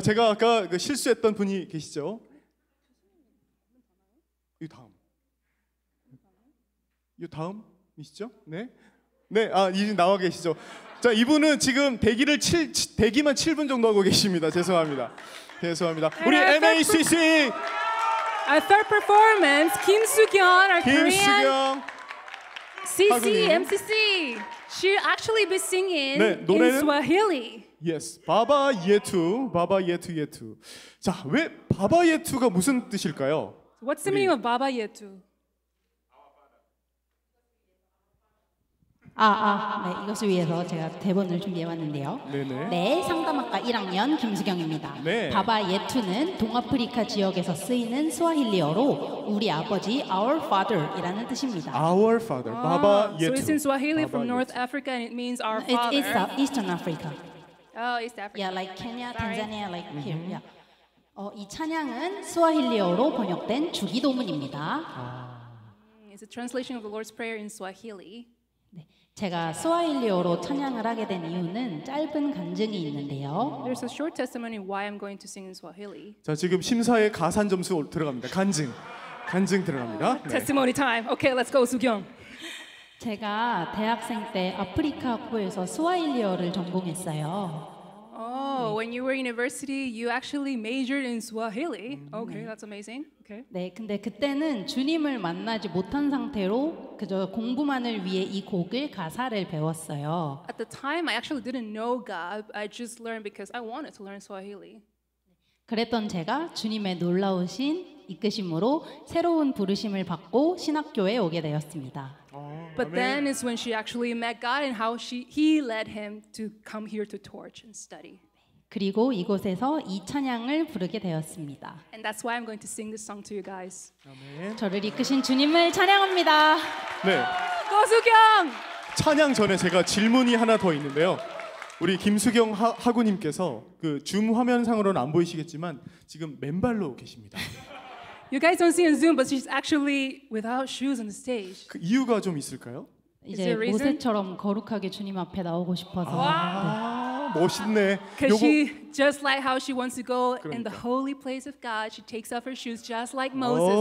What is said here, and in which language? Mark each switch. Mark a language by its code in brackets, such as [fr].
[ko] 제가 아까 그 실수했던 분이 계시죠? 이 다음. 이 다음이시죠? 네, 네, 아 이제 나와 계시죠. 자, 이분은 지금 대기를 대기만 7분 정도 하고 계십니다. 죄송합니다. 죄송합니다. 우리 MACC. [en] Our third performance, Kim Soo-kyung, our Korean CC, MCC. She'll actually be singing [ko] 네, 노래는? [en] in Swahili. [ko] Yes, Baba Yetu, Baba Yetu Yetu. 자, 왜 Baba Yetu가 무슨 뜻일까요? [en] What's the meaning of Baba Yetu? [ko] 네, 이것을 위해서 제가 대본을 준비해왔는데요. 네네. 네, 상담학과 1학년 김수경입니다. 네. 바바 예투는 동아프리카 지역에서 쓰이는 스와힐리어로 우리 아버지, [en] Our Father [ko] 이라는 뜻입니다. [en] Our Father, 아, 바바 예투. So it's in Swahili from North Africa and it means Our Father. It's Eastern Africa. Oh, East Africa. Yeah, like Kenya, Tanzania, like here. Mm-hmm. Yeah. [ko] 이 찬양은 스와힐리어로 번역된 주기도문입니다. 아. [en] It's a translation of the Lord's Prayer in Swahili. [ko] 제가 스와힐리어로 찬양을 하게 된 이유는 짧은 간증이 있는데요. [en] There's a short testimony why I'm going to sing in Swahili. [ko] 자, 지금 심사에 가산 점수 들어갑니다. 간증. 간증 들어갑니다. [en] 네. Testimony time. Okay, let's go, 수경. [ko] 제가 대학생 때 아프리카 학부에서 스와힐리어를 전공했어요. Oh, 네. [en] When you were in university, you actually majored in Swahili. Okay, 네. That's amazing. Okay. [ko] 네, 근데 그때는 주님을 만나지 못한 상태로 그저 공부만을 위해 이 곡을 가사를 배웠어요. [en] At the time, I actually didn't know God. I just learned because I wanted to learn Swahili. [ko] 그랬던 제가 주님의 놀라우신 이끄심으로 새로운 부르심을 받고 신학교에 오게 되었습니다. [en] But then is when she actually met God and how he led him to come here to Torch and study. [ko] 그리고 이곳에서 이 찬양을 부르게 되었습니다. [en] And that's why I'm going to sing this song to you guys. [ko] 저를 이끄신 주님을 찬양합니다. 네. 고수경! 찬양 전에 제가 질문이 하나 더 있는데요. 우리 김수경 하구님께서 그 줌 화면상으로는 안 보이시겠지만 지금 맨발로 계십니다. You guys don't see in Zoom, but she's actually without shoes on the stage. 그 이유가 좀 있을까요? 이제 모세처럼 거룩하게 주님 앞에 나오고 싶어서. 아, 네. 멋있네. [en] Because she just like how she wants to go [ko] 그러니까. [en] in the holy place of God, she takes off her shoes just like Moses.